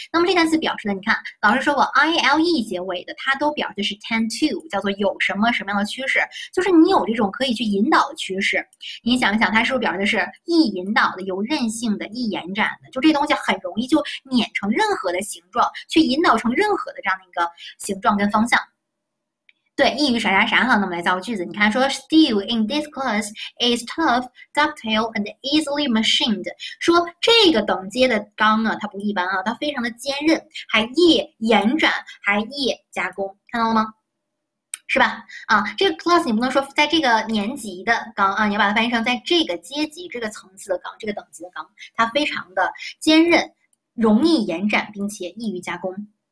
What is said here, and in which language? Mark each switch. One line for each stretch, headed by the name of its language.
Chinese: 那么这单词表示的，你看老师说过 ile 结尾的，它都表示是 tend to，叫做有什么什么样的趋势，就是你有这种可以去引导的趋势。你想一想，它是不是表示的是易引导的、有韧性的、易延展的？就这东西很容易就碾成任何的形状，去引导成任何的这样的一个形状跟方向。对，易于啥啥啥哈，那么来造个句子，你看说
English: steel in this class is tough, ductile, and easily machined。
Chinese: 说这个等阶的钢啊，它不一般啊，它非常的坚韧，还易延展，还易加工，看到了吗？是吧？啊，这个 class 你不能说在这个年级的钢啊，你要把它翻译成在这个阶级、这个层次的钢、这个等级的钢，它非常的坚韧，容易延展，并且易于加工。